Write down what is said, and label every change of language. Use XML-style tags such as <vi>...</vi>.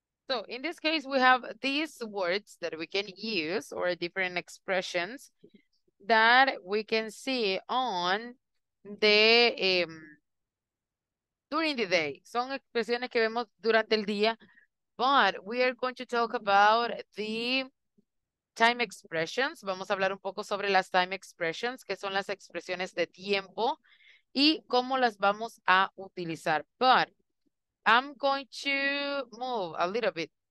<en>So in this case, we have these words that we can use or different expressions that we can see on the during the day.</en> <es>Son expresiones que vemos durante el día</es> <en>But we are going to talk about the time expressions.</en> <es>Vamos a hablar un poco sobre las time expressions, que son las expresiones de tiempo, y cómo las vamos a utilizar.</es> <en>But I'm going to move a little bit.</en>